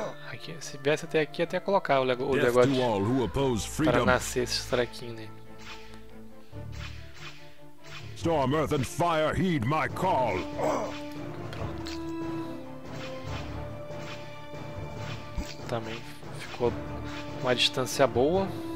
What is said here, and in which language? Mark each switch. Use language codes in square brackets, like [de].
[pt] Aqui, se viesse até aqui, até colocar o negócio para nascer esse trequinho nele. [en] Storm, earth and fire, heed my call. [pt] Pronto. Também ficou uma distância boa.